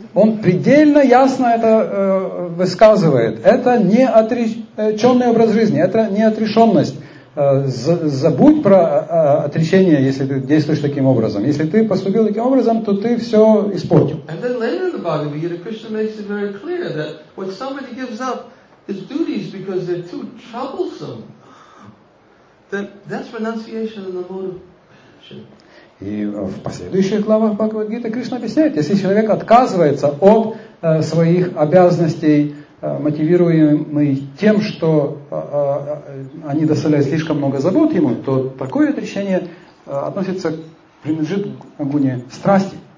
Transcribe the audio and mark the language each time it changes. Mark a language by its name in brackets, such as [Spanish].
[Russian] Он предельно ясно это высказывает. Это не отреченный образ жизни. Это не отрешенность. Забудь про отречение, если ты действуешь таким образом. Если ты поступил таким образом, то ты все испортил. [English] And then later in the Bhagavad Gita, Krishna makes it very clear that when somebody gives up his duties because they're too troublesome, that's renunciation in the mode of action. [Russian] И в последующих главах Бхагавад-гиты Кришна объясняет, если человек отказывается от своих обязанностей, мотивируемый тем, что они доставляют слишком много забот ему, то такое отречение относится, принадлежит к гуне страсти.